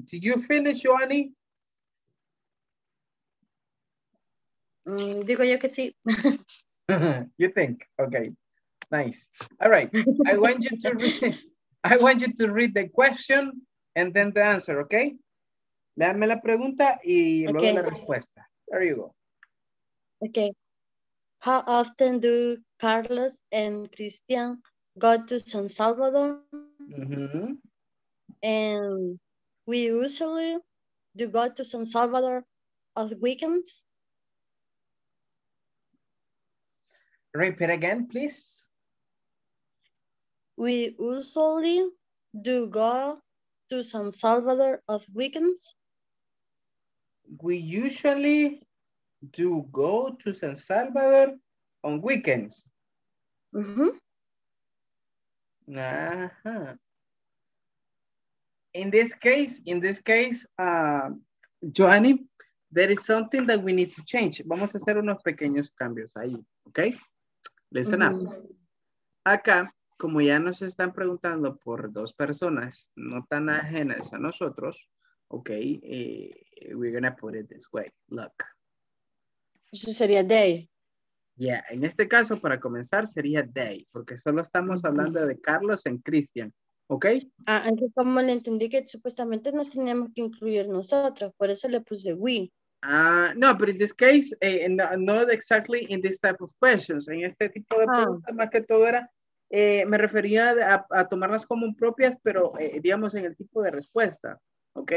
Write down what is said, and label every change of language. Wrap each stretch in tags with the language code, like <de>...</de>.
<en>Did you finish, Joanny?</en> <es>Digo yo que sí.</es> <en>You think, okay. Nice. All right. I want you to read the question and then the answer, okay?</en> <es>Léanme la pregunta y luego okay. La respuesta.</es> <en>There you go. Okay. How often do Carlos and Christian go to San Salvador? Mm-hmm. And we usually do go to San Salvador on weekends. Repeat again, please. We usually do go to San Salvador on weekends. We usually do go to San Salvador on weekends. Mm-hmm. Uh-huh. In this case, Joanny, there is something that we need to change.</en> <es>Vamos a hacer unos pequeños cambios ahí, okay?</es> <en>Listen mm-hmm. up.</en> <es>Acá. Como ya nos están preguntando por dos personas no tan ajenas a nosotros, okay,</es> <en>we're gonna put it this way. Look.</en> <es>Eso sería they. Yeah, en este caso, para comenzar, sería they, porque solo estamos hablando de Carlos y Christian, okay? Aunque como le entendí que supuestamente nos teníamos que incluir nosotros, por eso le puse we.</es> <en>No, but in this case, not exactly in this type of questions.</en> <es>En este tipo de preguntas, más que todo era... me refería a tomarlas como propias, pero digamos en el tipo de respuesta, ¿ok?</es>